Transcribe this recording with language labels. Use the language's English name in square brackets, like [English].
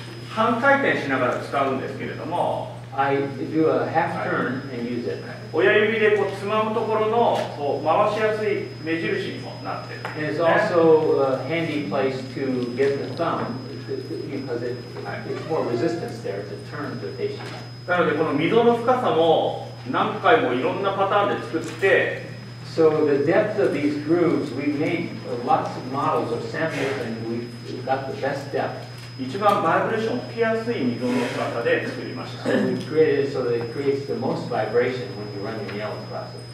[Japanese] 半回転しながら使うんですけれども、 [English] I do a half turn and use it. [Japanese] 親指でこうつまむところのこう回しやすい目印にもなってる、 [English] ね。It's also a handy place to get the thumb because it's more resistance there to turn the patient. [Japanese] なのでこの溝の深さも何回もいろんなパターンで作って。 [English] So the depth of these grooves, we've made lots of models of samples and we've we've got the best depth. [Japanese] 一番バイブレーションを受けやすい溝の深さで作りました。 [English] So we created it so that it creates the most vibration when you run your yellow process.